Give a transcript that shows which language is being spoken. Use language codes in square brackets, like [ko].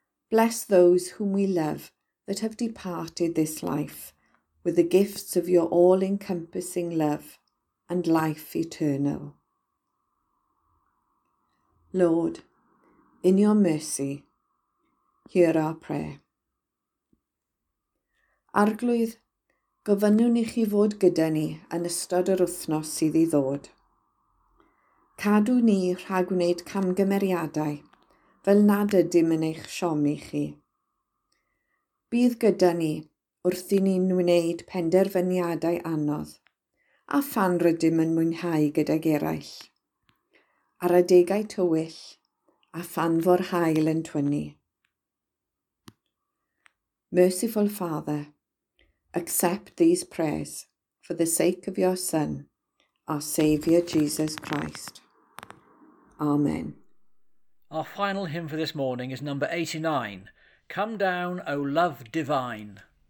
[en] Bless those whom we love that have departed this life with the gifts of your all-encompassing love and life eternal. Lord, in your mercy, hear our prayer. [cy] Arglwydd, gofynnwn i chi fod gyda ni yn ystod yr wythnos sydd i ddod. Cadw ni rhag gwneud camgymeriadau fel nad ydym yn eich siomi chi. Bydd gyda ni wrth i ni'n wneud penderfyniadau anodd a phan rydym yn mwynhau gydag eraill. Ar adegau tywyll a phan fo'r hael yn twynnu. [en] Merciful Father, accept these prayers for the sake of your Son, our Saviour Jesus Christ. Amen. Our final hymn for this morning is number 89, Come Down, O Love Divine.